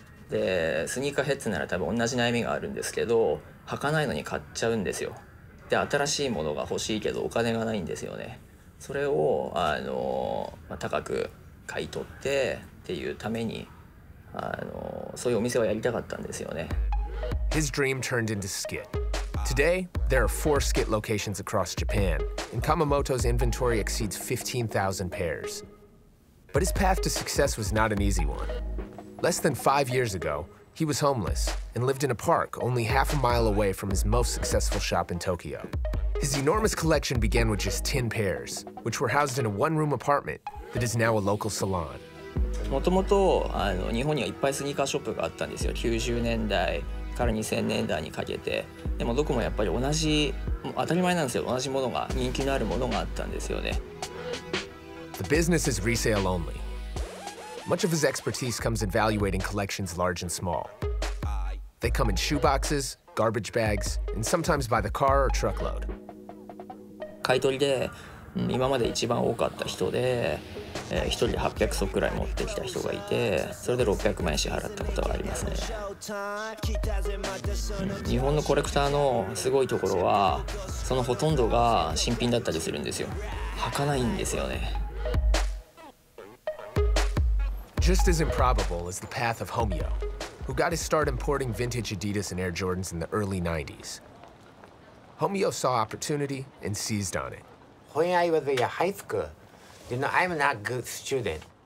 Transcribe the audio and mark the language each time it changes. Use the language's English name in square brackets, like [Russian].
[Japanese] でスニーカーヘッズなら多分同じ悩みがあるんですけど、履かないのに買っちゃうんですよ。で新しいものが欲しいけどお金がないんですよね。それを高く買い取ってっていうために、そういうお店はやりたかったんですよね。 [English] His dream turned into skit. Today, there are 4 skit locations across Japan, and Kamamoto's inventory exceeds 15,000 pairs. But his path to success was not an easy one. Less than 5 years ago, he was homeless and lived in a park only half a mile away from his most successful shop in Tokyo. His enormous collection began with just 10 pairs, which were housed in a one-room apartment that is now a local salon. [Japanese] もともと日本にはいっぱいスニーカーショップがあったんですよ。 90年代から2000年代にかけて、でもどこもやっぱり同じ、当たり前なんですよ、同じものが、人気のあるものがあったんですよね。 [English] The business is resale only. Much of his expertise comes evaluating collections large and small. They come in shoe boxes, garbage bags, and sometimes by the car or truckload. [Japanese] 買い取りで、今まで一番多かった人で、一人で800足くらい持ってきた人がいて、それで600万円支払ったことがありますね。日本のコレクターのすごいところは、そのほとんどが新品だったりするんですよ。履かないんですよね。 [English] Just as improbable is the path of Homeo, who got his start importing vintage Adidas and Air Jordans in the early 90s. Homeo saw opportunity and seized on it. When I was in high schoolYou know, I'm not a good student.